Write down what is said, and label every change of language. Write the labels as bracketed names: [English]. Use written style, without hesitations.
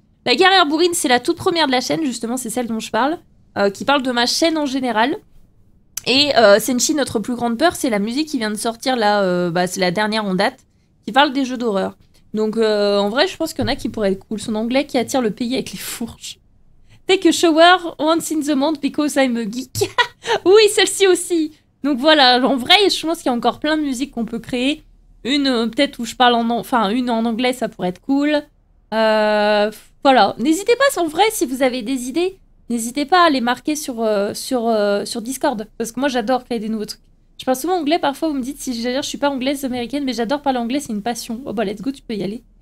[French] La guerrière bourrine, c'est la toute première de la chaîne, justement, c'est celle dont je parle, qui parle de ma chaîne en général. Et Senshi, notre plus grande peur, c'est la musique qui vient de sortir là, c'est la dernière en date, qui parle des jeux d'horreur. Donc en vrai, je pense qu'il y en a qui pourraient être cool. Son anglais qui attire le pays avec les fourches. [English] Take a shower once in the month because I'm a geek. [French] Oui, celle-ci aussi. Donc voilà, en vrai, je pense qu'il y a encore plein de musiques qu'on peut créer. Une peut-être où je parle une en anglais, ça pourrait être cool. Voilà, n'hésitez pas, en vrai, si vous avez des idées, n'hésitez pas à les marquer sur Discord. Parce que moi, j'adore créer des nouveaux trucs. Je parle souvent anglais, parfois, vous me dites, si j'allais dire, je suis pas anglaise, américaine, mais j'adore parler anglais, c'est une passion. Oh bah, [English] let's go, [French] tu peux y aller.